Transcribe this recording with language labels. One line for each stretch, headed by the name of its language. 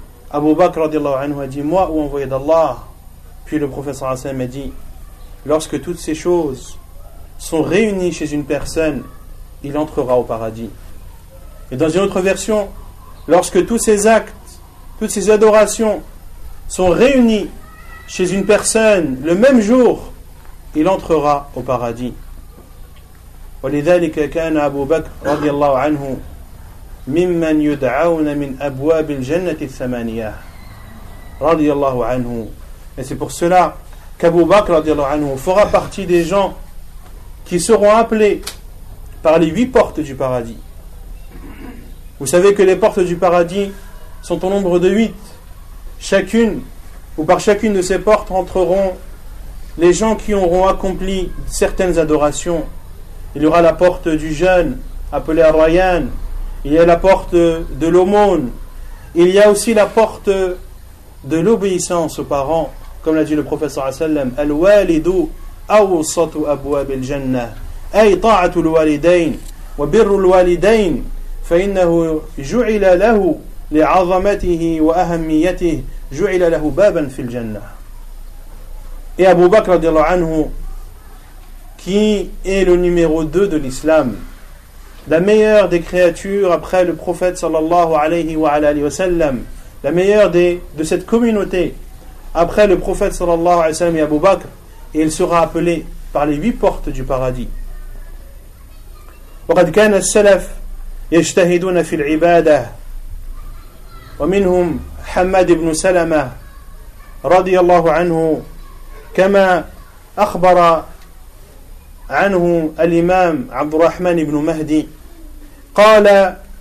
French: Abu Bakr radiallahu anhu a dit: moi, ou envoyé d'Allah. Puis le prophète sallallahu alayhi wa sallam a dit: lorsque toutes ces choses sont réunies chez une personne, il entrera au paradis. Et dans une autre version, lorsque tous ces actes, toutes ces adorations sont réunies chez une personne le même jour, il entrera au paradis.
Arabic: ولذلك كان أبو بكر رضي الله عنه ممن يدعون من أبواب الجنة الثمانية رضي الله عنه.
French: Et c'est pour cela qu'Abu Bakr رضي الله عنه fera partie des gens qui seront appelés par les huit portes du paradis. Vous savez que les portes du paradis sont au nombre de huit. Chacune, ou par chacune de ces portes, entreront les gens qui auront accompli certaines adorations. Il y aura la porte du jeûne, appelée Ar-Rayyan. Il y a la porte de l'aumône. Il y a aussi la porte de l'obéissance aux parents, comme l'a dit le professeur Assalam.
Arabic: Al-Walidu awsat abwab al-Jannah. أي طاعة الوالدين وبر الوالدين فإنه جعل له لعظمته وأهميته جعل له بابا في الجنة.
French: Et Abu Bakr radiallahu anhu, qui est le numéro 2 de l'islam, la meilleure des créatures après le prophète sallallahu alayhi wa alayhi wa sallam, la meilleure de cette communauté après le prophète sallallahu alayhi wa sallam et Abu Bakr, et il sera appelé par les huit portes du paradis.
Arabic: وقد كان السلف يجتهدون في العبادة ومنهم حماد بن سلمة رضي الله عنه كما أخبر عنه الإمام عبد الرحمن بن مهدي قال